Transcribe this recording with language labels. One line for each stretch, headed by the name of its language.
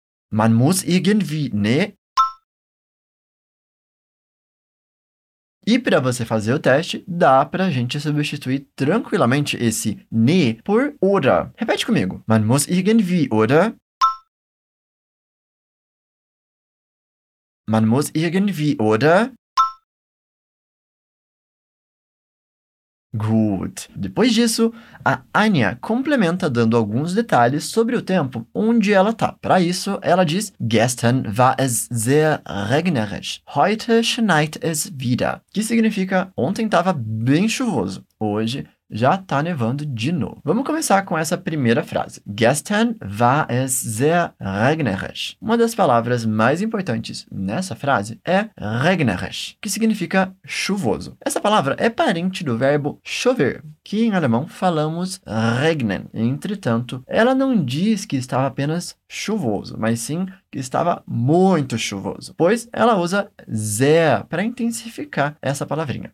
German: Man muss irgendwie, ne?
Portuguese: E para você fazer o teste, dá pra gente substituir tranquilamente esse ne por oder. Repete comigo.
German: Man muss irgendwie, oder? Man muss irgendwie, oder?
English: Good.
Portuguese: Depois disso, a Anya complementa dando alguns detalhes sobre o tempo onde ela tá. Para isso, ela diz
German: Gestern war es sehr regnerisch. Heute schneit es wieder.
Portuguese: Que significa ontem tava bem chuvoso. Hoje já tá nevando de novo. Vamos começar com essa primeira frase.
German: Gestern war es sehr regnerisch.
Portuguese: Uma das palavras mais importantes nessa frase é regnerisch, que significa chuvoso. Essa palavra é parente do verbo chover, que em alemão falamos regnen. Entretanto, ela não diz que estava apenas chuvoso, mas sim que estava muito chuvoso, pois ela usa sehr para intensificar essa palavrinha.